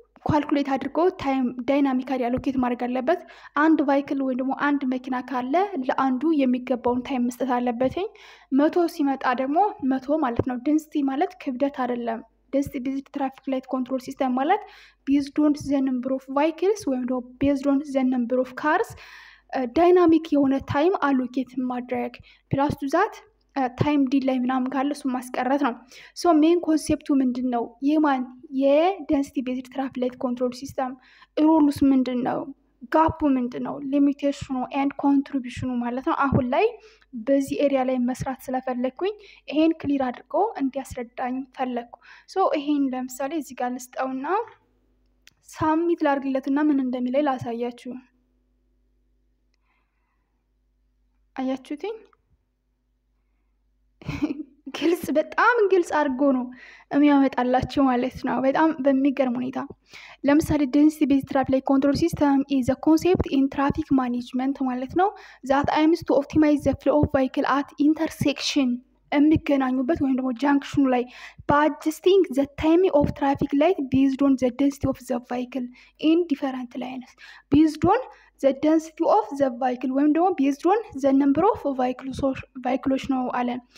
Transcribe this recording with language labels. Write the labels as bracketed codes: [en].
[am] calculate አድርጎ time dynamically allocate ማድረግ ያለበት አንድ vehicle ወይም ደግሞ አንድ መኪና ካለ ለአንዱ የሚገባውን time መስጠት ያለበት 100 ሲመጣ ደግሞ 100 ማለት ነው። density ማለት ክብደት አይደለም። density based traffic light control system ማለት [en] based on the number of vehicles [am] ወይም ደግሞ [en] based on the number of cars [am] dynamic የሆነ time allocate ማድረግ [en] plus to that time delay [am] ምናምን ካለ እሱ ማስቀረት ነው። so main conceptu ምንድነው? የማን የdensity based traffic light control system roles ምንድነው? ጋፑ ምንድነው? limitationu and contributionu ማለት ነው። አሁን ላይ በዚህ ኤሪያ ላይ መስራት ስለፈለኩኝ ይሄን ክሊር አድርጎ እንዲያስረዳኝ ፈለኩ። ሶ ይሄን ለምሳሌ እዚህ ጋር ልስጠውና ሳሚት ላርግለትና ምን እንደሚለይ ላሳያችሁ። አያችሁትኝ? ግልጽ በጣም ግልጽ አድርጎ ነው የሚያመጣላችሁ ማለት ነው። በጣም በሚገርም ሁኔታ ለምሳሌ [en] density based traffic light control system is a concept in traffic management [am] ማለት ነው [en] that aims to optimize the flow of vehicle at intersection [am] የሚገናኙበት ወይም ደግሞ junctionu ላይ [en] by adjusting the time of traffic light based on the density of the vehicle in different lanes based on the density of the vehicle [am] ወይም ደግሞ [en] based on the number of vehicles [am] ነው አለ።